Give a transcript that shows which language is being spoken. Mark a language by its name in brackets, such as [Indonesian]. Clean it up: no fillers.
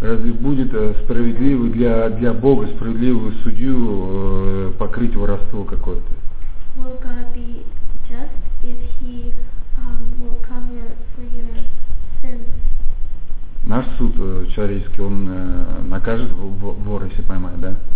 [Russian] Разве будет справедливый для Бога справедливую судью покрыть воровство какое-то? [English] Will God be just if he will cover for your sins? [Russian] Наш суд человеческий, он накажет вора, если поймает, да?